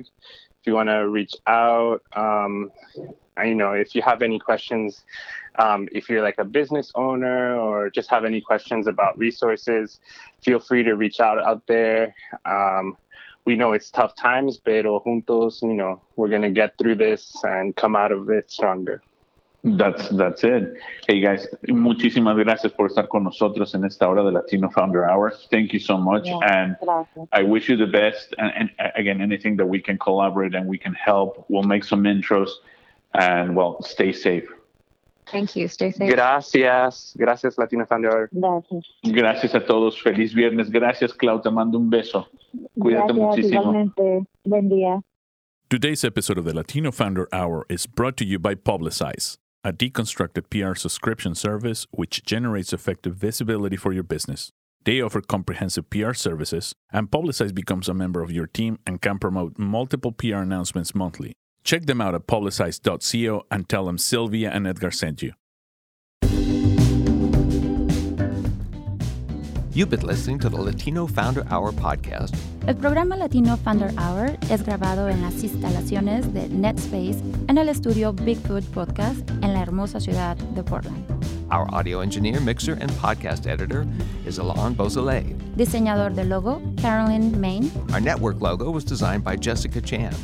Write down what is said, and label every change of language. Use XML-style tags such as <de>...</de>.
<en>If you want to reach out, if you have any questions, if you're like a business owner or just have any questions about resources, feel free to reach out there. We know it's tough times,</en> <es>pero juntos,</es> <en>we're going to get through this and come out of it stronger. That's it.</en> <es>Hey, guys, muchísimas gracias por estar con nosotros en esta hora de Latino Founder Hour.</es> <en>Thank you so much. Yeah, and</en> <es>gracias.</es> <en>I wish you the best. And again, anything that we can collaborate and we can help, we'll make some intros. And, stay safe. Thank you. Thank you. Stay safe.</en> <es>Gracias. Gracias, Latino Founder. Gracias. Gracias a todos. Feliz viernes. Gracias, Claudia. Mando un beso. Cuídate Gracias, muchísimo. Gracias, igualmente. Buen día.</es> <en>Today's episode of the Latino Founder Hour is brought to you by Publicize, a deconstructed PR subscription service which generates effective visibility for your business. They offer comprehensive PR services, and Publicize becomes a member of your team and can promote multiple PR announcements monthly. Check them out at publicize.co and tell them Sylvia and Edgar sent you. You've been listening to the Latino Founder Hour podcast.</en> <es>El programa Latino Founder Hour es grabado en las instalaciones de NetSpace en el estudio Bigfoot Podcast en la hermosa ciudad de Portland.</es> <en>Our audio engineer, mixer, and podcast editor is Alain Beausoleil.</en> <es>Diseñador de logo, Carolyn Main.</es> <en>Our network logo was designed by Jessica Chan.</en>